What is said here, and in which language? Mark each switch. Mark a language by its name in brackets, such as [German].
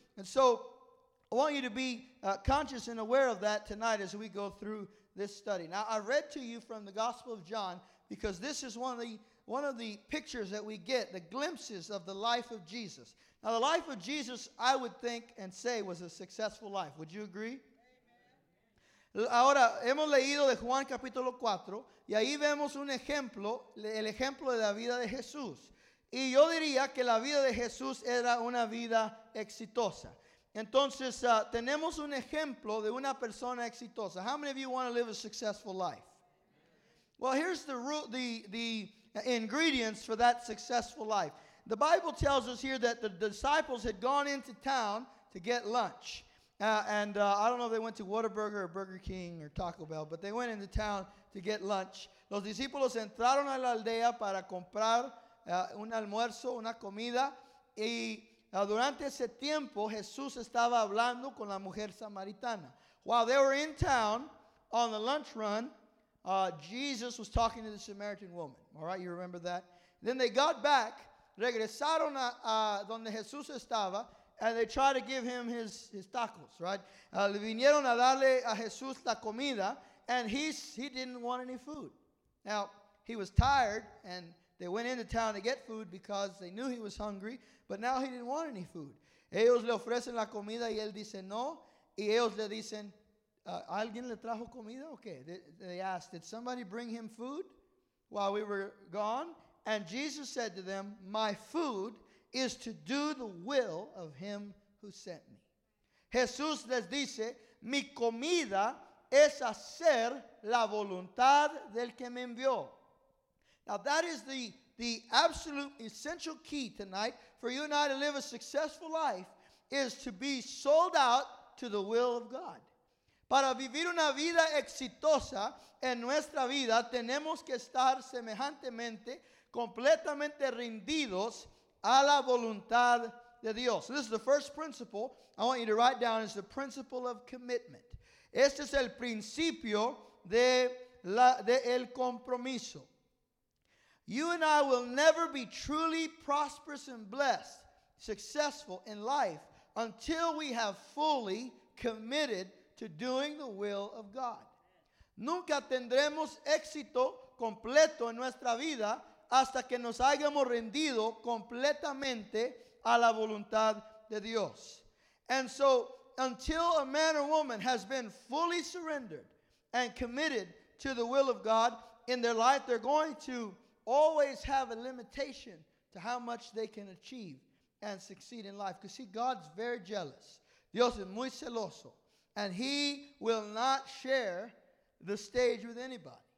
[English] And so I want you to be conscious and aware of that tonight as we go through this study. Now I read to you from the Gospel of John because this is one of the pictures that we get, the glimpses of the life of Jesus. Now, the life of Jesus, I would think and say, was a successful life. Would you agree? Amen. [Spanish] Ahora, hemos leído de Juan capítulo 4, y ahí vemos un ejemplo, el ejemplo de la vida de Jesús. Y yo diría que la vida de Jesús era una vida exitosa. Entonces, tenemos un ejemplo de una persona exitosa. [English] How many of you want to live a successful life? Well, here's the ingredients for that successful life. The Bible tells us here that the disciples had gone into town to get lunch. I don't know if they went to Whataburger or Burger King or Taco Bell, but they went into town to get lunch. [Spanish] Los discípulos entraron a la aldea para comprar un almuerzo, una comida. Y durante ese tiempo, Jesús estaba hablando con la mujer samaritana. [English] While they were in town on the lunch run, Jesus was talking to the Samaritan woman. All right, you remember that? Then they got back. [Spanish] Regresaron a donde Jesús estaba, [English] and they tried to give him his tacos, right? [Spanish] Le vinieron a darle a Jesús la comida, [English] and he didn't want any food. Now, he was tired, and they went into town to get food because they knew he was hungry, but now he didn't want any food. [Spanish] Ellos le ofrecen la comida y él dice no. Y ellos le dicen, ¿alguien le trajo comida o qué? [English] They asked, did somebody bring him food while we were gone? And Jesus said to them, my food is to do the will of him who sent me. [Spanish] Jesús les dice, mi comida es hacer la voluntad del que me envió. [English] Now that is the absolute essential key tonight for you and I to live a successful life is to be sold out to the will of God. [Spanish] Para vivir una vida exitosa en nuestra vida, tenemos que estar semejantemente, completamente rendidos a la voluntad de Dios. [English] So this is the first principle I want you to write down is the principle of commitment. [Spanish] Este es el principio de el compromiso. [English] You and I will never be truly prosperous and blessed, successful in life until we have fully committed to doing the will of God. [Spanish] Nunca tendremos éxito completo en nuestra vida hasta que nos hayamos rendido completamente a la voluntad de Dios. [English] And so, until a man or woman has been fully surrendered and committed to the will of God in their life, they're going to always have a limitation to how much they can achieve and succeed in life. Because see, God's very jealous. [Spanish] Dios es muy celoso. [English] And he will not share the stage with anybody.